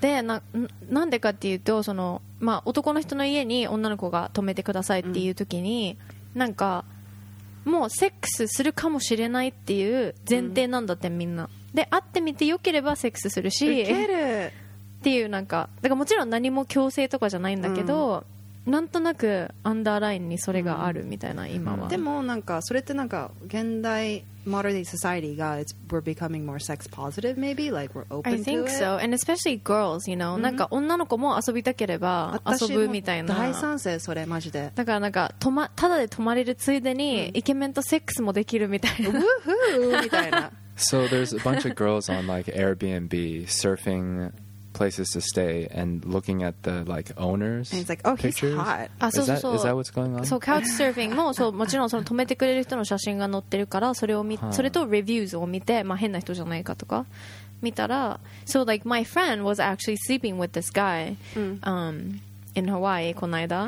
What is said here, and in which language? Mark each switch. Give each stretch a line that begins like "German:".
Japanese: で、なんでかっていうと、その、まあ、男の人の家に女の子が泊めてくださいっていう時に、うん、なんか、もうセックスするかもしれないっていう前提なんだって、うん、みんな。で、会ってみてよければセックスするし。ウケるっていうなんか、だからもちろん何も強制とかじゃないんだけど、うん、なんとなくアンダーラインにそれがあるみたいな、うん、今は。
English: でもなんか、それってなんか、現代、 modern society が it's, we're becoming more sex positive maybe like we're open to it. I think so, and especially girls, you know、mm-hmm. なんか女の子も遊びたければ遊ぶみたいな。
Japanese: 私も大賛成それマジで。だからなんか、ま、ただで泊まれるついでに、mm-hmm. イケメンとセックスもできるみたいな。ウーフーみたいな。
English: So there's a bunch of girls on like Airbnb surfing places to stay and looking at the like owners and it's like, oh, pictures. He's hot. Is that what's going on?
Japanese: So couch surfing もそう、もちろんその止めてくれる人の写真が載ってるからそれを見、huh. それとレビューズを見て、まあ、変な人じゃないかとか見たら、 So like my friend was actually sleeping with this guy、in Hawaii この間、